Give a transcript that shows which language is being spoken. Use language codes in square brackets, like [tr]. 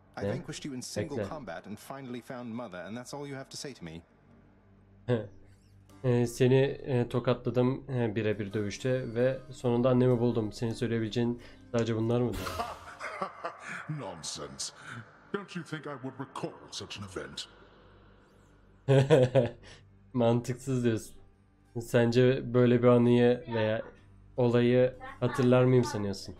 [en] I vanquished you in single combat and finally found mother, and that's all you have to say to me. [tr] Seni tokatladım birebir dövüşte ve sonunda annemi buldum. Senin söyleyebileceğin sadece bunlar mıdır? [en] Nonsense. Don't you think I would recall such an event? [tr] Mantıksız diyorsun. Sence böyle bir anıyı veya olayı hatırlar mıyım sanıyorsun?